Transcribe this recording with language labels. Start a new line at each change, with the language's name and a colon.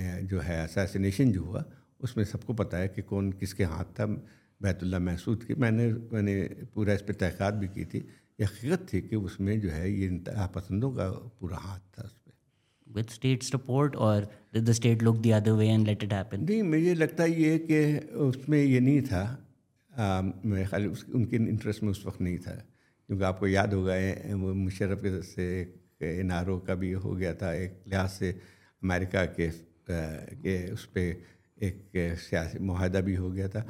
Urdu: جو ہے اسیسینیشن جو ہوا اس میں سب کو پتا ہے کہ کون کس کے ہاتھ تھا بیت اللہ محسود کی. میں نے پورا اس پہ تحقیقات بھی کی تھی. یہ حقیقت تھی کہ اس میں جو ہے یہ انتہا پسندوں کا پورا ہاتھ تھا اس پہ.
English: With state support or did the state look the other way and let it happen?
Urdu: نہیں, مجھے لگتا یہ کہ اس میں یہ نہیں تھا, میرے خیال ان کے انٹرسٹ میں اس وقت نہیں تھا. کیونکہ آپ کو یاد ہوگا وہ مشرف کے سے این آر او کا بھی ہو گیا تھا ایک لحاظ سے, امریکہ کے اس پہ ایک سیاسی معاہدہ بھی ہو گیا تھا.